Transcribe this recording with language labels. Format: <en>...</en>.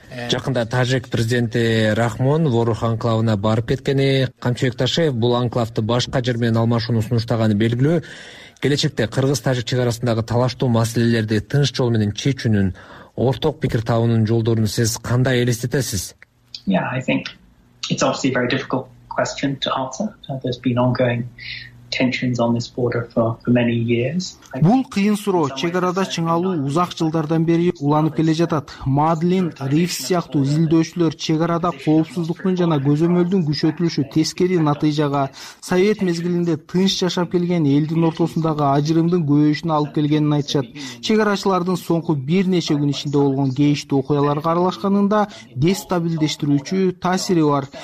<ky>Жакында тажик президенти Рахмон Ворух анклавына барып кеткени, Камчыбек Ташиев бул анклавды башка жер менен алмашууну сунуштаганы белгилүү. Келечекте кыргыз тажик чек арасындагы талаштуу маселелерди тынч жол менен чечүүнүн ортак пикир табуунун жолдорун сиз кандай элестетесиз?</ky> <en>Yeah, I think it's obviously a very difficult question to answer. There's been ongoing tensions on this border for many years.</en> <ky>Бул кыйын суроо. Чек арада чыңалуу узак жылдардан бери уланып келе жатат. Мадлин Ривс сыяктуу изилдөөчүлөр чек арада коопсуздуктун жана көзөмөлдүн күчөтүлүшү тескери натыйжага совет мезгилинде тынч жашап келген элдин ортосундагы ажырымдын көбөйүшүнө алып келгенин айтышат. Чек арачылардын соңку бир нече күн ичинде болгон кейиштүү окуяларга аралашканында дестабилдештирүүчү таасири бар.</ky>